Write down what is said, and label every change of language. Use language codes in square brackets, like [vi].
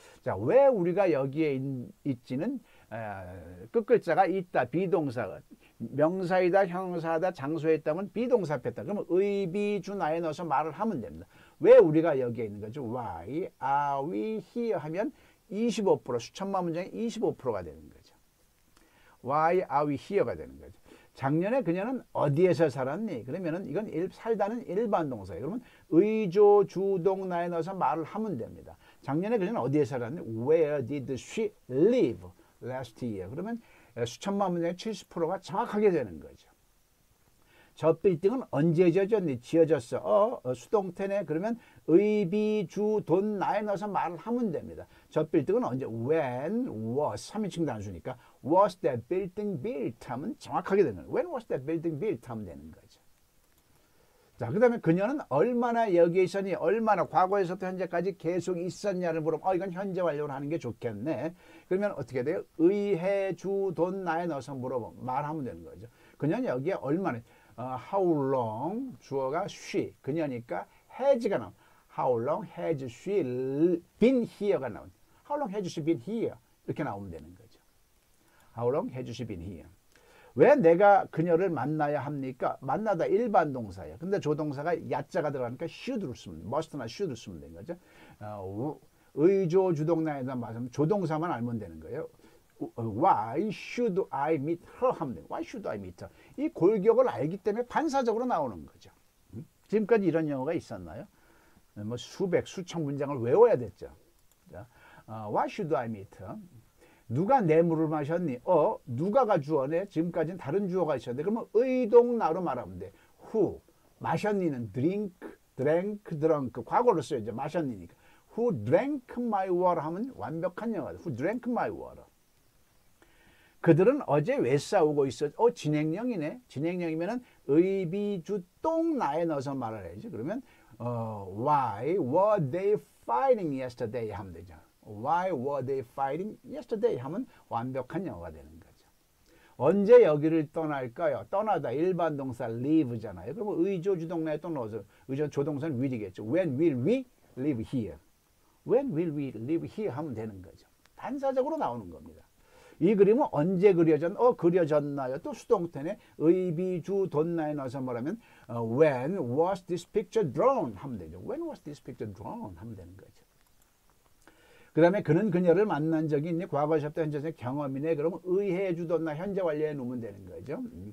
[ko] 자, 왜 우리가 여기에 있지는 끝글자가 있다. 비동사. 명사이다, 형사다, 장소에 있다면 비동사 앞에 있다. 그러면 의비준하에 넣어서 말을 하면 됩니다. 왜 우리가 여기에 있는 거죠? [en] Why are we here? [ko] 하면 25%, 수천만 문장의 25%가 되는 거죠. [en] Why are we here가 되는 거죠. [ko] 작년에 그녀는 어디에서 살았니? 그러면은 이건 살다는 일반 동사예요. 그러면 의조 주동 나에 넣어서 말을 하면 됩니다. 작년에 그녀는 어디에 살았니? [en] Where did she live last year? [ko] 그러면 수천만 문장의 70%가 정확하게 되는 거죠. 저 빌딩은 언제 지어졌니? 지어졌어. 수동태네. 그러면 의비 주돈 나에 넣어서 말을 하면 됩니다. 저 빌딩은 언제? [en] When was [ko] 3인칭 단수니까 [en] was that building built [ko] 하면 정확하게 되는 거예요. [en] When was that building built [ko] 하면 되는 거죠. 자, 그다음에 그녀는 얼마나 여기 있었니? 얼마나 과거에서부터 현재까지 계속 있었냐를 물으면 이건 현재 완료를 하는 게 좋겠네. 그러면 어떻게 돼요? 의해 주돈 나에 넣어서 물어보면 말하면 되는 거죠. 그녀는 여기에 얼마나 how long 주어가 she 그녀니까 has가 나옵니다. [en] How long has she been here가 나옵니다. How long has she been here 이렇게 나오면 되는 거죠. How long has she been here? [ko] 왜 내가 그녀를 만나야 합니까? 만나다 일반 동사예요. 근데 조동사가 야자가 들어가니까 should를 쓰면 must나 should를 쓰면 되는 거죠. 의조 주동 나에 대한 말씀 조동사만 알면 되는 거예요. [en] Why should I meet her? [ko] 하면 돼요. [en] Why should I meet her? [ko] 이 골격을 알기 때문에 반사적으로 나오는 거죠. 지금까지 이런 영어가 있었나요? 뭐 수백, 수천 문장을 외워야 됐죠. [en] Why should I meet her? [ko] 누가 내 물을 마셨니? 누가가 주어네? 지금까지는 다른 주어가 있었는데 그러면 의동나로 말하면 돼. [en] Who? 마셨니는 drank, drunk. [ko] 과거로 써야죠. 마셨니니까. [en] Who drank my water? [ko] 하면 완벽한 영어다. [en] Who drank my water? [ko] 그들은 어제 왜 싸우고 있었지? 진행형이네. 진행형이면은 의비주동 나에 넣어서 말을 해야지. [en] 그러면 why were they fighting yesterday? [ko] 하면 되죠. [en] Why were they fighting yesterday? [ko] 하면 완벽한 영어가 되는 거죠. 언제 여기를 떠날까요? 떠나다 일반 동사 leave잖아요. 그러면 의조 주동사에 또 넣어서 의조 조동사는 will이겠죠. [en] When will we live here? When will we live here? [ko] 하면 되는 거죠. 반사적으로 나오는 겁니다. 이 그림은 언제 그려졌? 그려졌나요? 또 수동태네. 의비 주 돈나에 넣어서 뭐라면 [en] when was this picture drawn? [ko] 하면 되죠. [en] When was this picture drawn? [ko] 하면 되는 거죠. 그 다음에 그는 그녀를 만난 적이 있니? 과거시 없다 현재시 경험이네. 그러면 의해 주던나 현재 완료에 놓으면 되는 거죠.